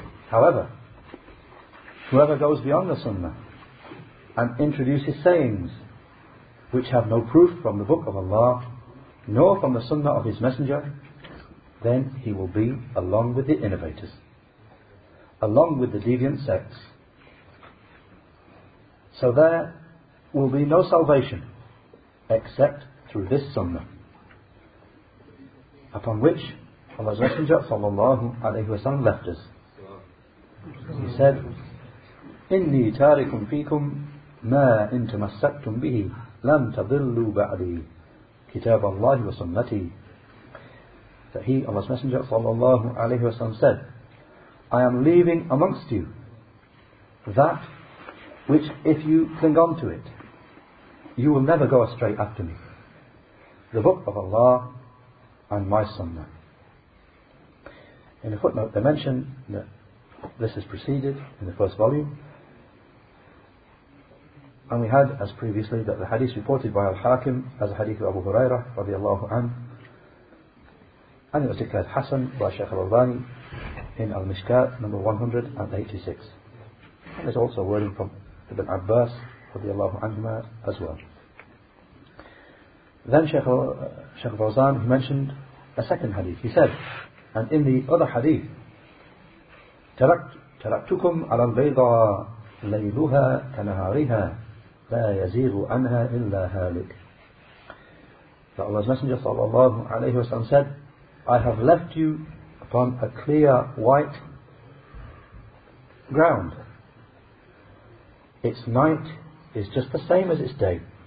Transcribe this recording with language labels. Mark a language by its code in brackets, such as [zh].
[en] However, whoever goes beyond the Sunnah and introduces sayings which have no proof from the Book of Allah nor from the Sunnah of his Messenger, then he will be along with the innovators, along with the deviant sects. So there will be no salvation except through this Sunnah, upon which Allah's Messenger sallallahu alayhi wa sallam left us. He said, [ar] إِنِّي تَارِكُمْ فِيكُمْ مَا إِنْ تَمَسَّكْتُمْ بِهِ لَمْ تَضِلُّوا بَعْدِي كِتَابَ اللَّهِ وَسُنَّتِي. [en] that he, Allah's Messenger sallallahu alayhi wa sallam, said, I am leaving amongst you that which if you cling on to it, you will never go astray after me. The book of Allah and my sunnah. In a footnote they mention that this is preceded in the first volume. And we had, as previously, that the hadith reported by Al-Hakim as a hadith of Abu Hurairah radiallahu anhu, and it was declared Hassan by Shaykh al-Albani in Al-Mishkat number 186. And there's also a wording from Ibn Abbas radiallahu anhuma as well. Then Shaykh al-Fawzan mentioned a second hadith. He said, and in the other hadith, [ar] تَرَكْتُكُمْ عَلَى الْبَيْضَى لَيْلُهَا كَنَهَارِهَا لَا يَزِيغُ عَنْهَا إِلَّا هَالِكَ. [en] Allah's Messenger sallallahu alayhi wa sallam said, I have left you upon a clear white ground. Its night is just the same as its day.